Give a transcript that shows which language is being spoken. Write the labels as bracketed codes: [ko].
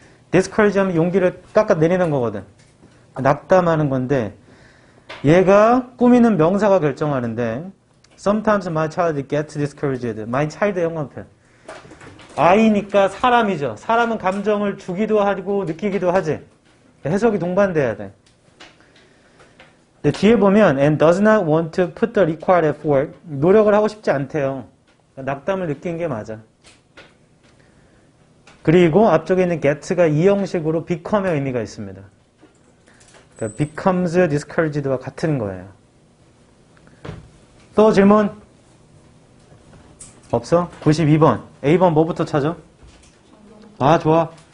[ko] Discourage하면 용기를 깎아내리는 거거든. 낙담하는 건데 얘가 꾸미는 명사가 결정하는데 [en] Sometimes my child gets discouraged. My child [ko] 형광펜. I니까 사람이죠. 사람은 감정을 주기도 하고 느끼기도 하지. 해석이 동반돼야 돼. 근데 뒤에 보면 [en] And does not want to put the required effort. [ko] 노력을 하고 싶지 않대요. 낙담을 느낀 게 맞아. 그리고 앞쪽에 있는 get가 이 형식으로 become의 의미가 있습니다. 그러니까 [en] becomes discouraged [ko] 와 같은 거예요. 또 질문? 없어? 92번. A번 뭐부터 찾아? 아, 좋아.